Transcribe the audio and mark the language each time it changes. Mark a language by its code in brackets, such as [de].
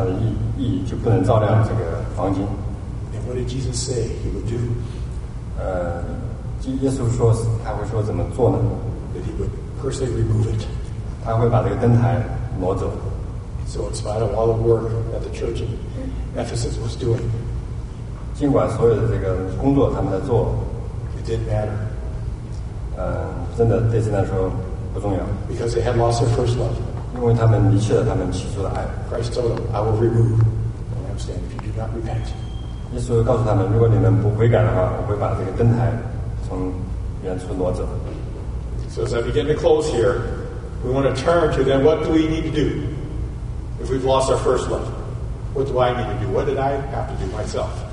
[zh] 所以这个灯台，如果没有光的话，它就失去了它的意义，就不能照亮这个房间。 [en] And what did Jesus say he would do? [zh] 耶稣说，他会说怎么做呢？ [en] That he would personally remove it. [zh] 他会把这个灯台挪走。 [en] So in spite of all the work that the church in Ephesus was doing, [zh] 尽管所有的这个工作他们在做, [en] it didn't matter. [zh] 真的对神来说不重要。 [en] Because they had lost their first love. [zh] 因为他们离弃了他们起初的爱。 [en] Christ told them, I will remove the lampstand if you do not repent. [zh] 耶稣告诉他们, 如果你们不悔改的话, 我会把这个灯台从原处挪走。 [en] So as I begin to close here, we want to turn to then what do we need to do if we've lost our first love? What do I need to do? What did I have to do myself?